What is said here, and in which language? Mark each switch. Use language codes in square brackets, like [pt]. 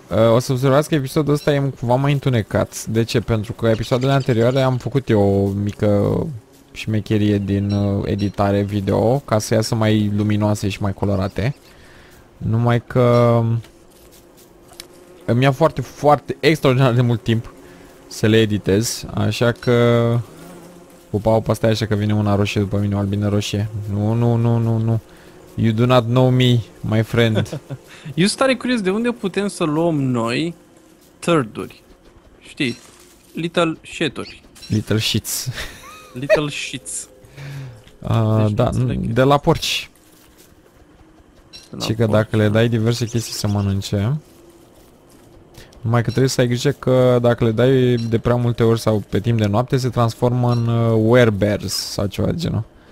[ro] O să observați că episodul ăsta e cumva mai întunecat. De ce? Pentru că episoadele anterioare am făcut eu o mică șmecherie din editare video ca să iasă mai luminoase și mai colorate. Numai că... Îmi ia foarte, foarte, extraordinar de mult timp să le editez, așa că... Pupau pe astea așa că vine una roșie după mine, o albină roșie. Nu. [en] You do not know me, my friend. [ro] Eu sunt tare curios de unde putem să luăm noi turd-uri. Știi, [en] little shit-uri. Little shits. Little shits. [ro] De la porci. Și că dacă le dai diverse chestii să mănânce... Numai că trebuie să ai grijă că dacă le dai de prea multe ori sau pe timp de noapte, se transformă în werebears sau ceva de genul.